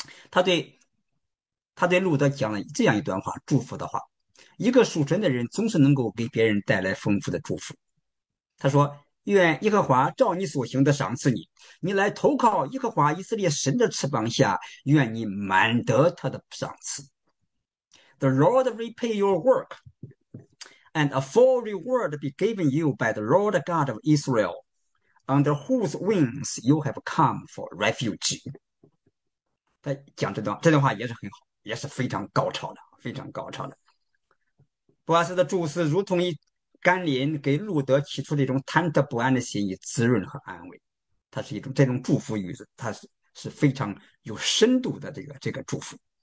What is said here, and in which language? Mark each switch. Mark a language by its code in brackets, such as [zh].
[zh] 他对路德讲了这样一段话，祝福的话，一个属神的人总是能够给别人带来丰富的祝福。他说：“愿耶和华照你所行的赏赐你，你来投靠耶和华以色列神的翅膀下，愿你满得他的赏赐。 [en] ” The Lord repay your work, and a full reward be given you by the Lord God of Israel, under whose wings you have come for refuge. [zh] 他讲这段话也是很好，也是非常高超的，非常高超的。波阿斯的祝词如同一甘霖，给路德提出这种忐忑不安的心意，滋润和安慰。它是一种这种祝福语，它是非常有深度的这个祝福。